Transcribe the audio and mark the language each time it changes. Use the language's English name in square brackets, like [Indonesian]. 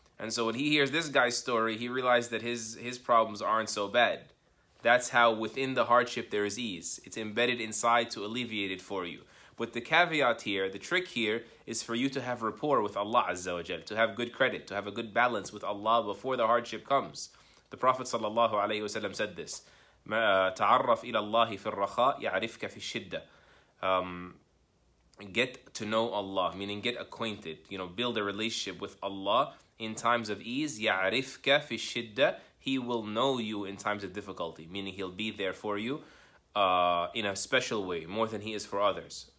[English] And so when he hears this guy's story, he realized that his problems aren't so bad. That's how within the hardship there is ease. It's embedded inside to alleviate it for you. But the caveat here, the trick here, is for you to have rapport with Allah Azza wa Jal, to have good credit, to have a good balance with Allah before the hardship comes. The Prophet Sallallahu Alaihi Wasallam said this, [Arabic] تعرف إلى الله في الرخاء يعرفك في الشدة. [English] Get to know Allah, meaning get acquainted, you know, build a relationship with Allah in times of ease. [Arabic] يعرفك في الشدة. [English] He will know you in times of difficulty, meaning he'll be there for you in a special way, more than he is for others.